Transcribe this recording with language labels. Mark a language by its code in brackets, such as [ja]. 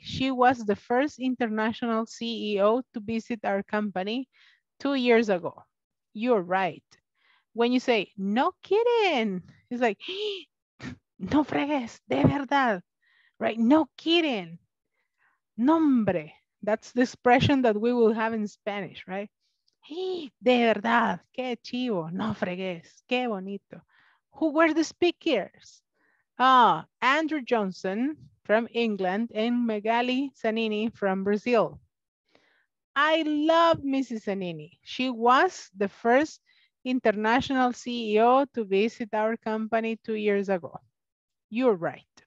[en] She was the first international CEO to visit our company 2 years ago. You're right. When you say, no kidding, it's like, [es] no fregues, de verdad, [en] right? No kidding. Nombre, that's the expression that we will have in Spanish, right? [es] De verdad, qué chivo, no fregues, qué bonito. [en] Who were the speakers? Andrew Johnson from England and Magali Zanini from Brazil. I love Mrs. Zanini. She was the first international CEO to visit our company 2 years ago. You're right.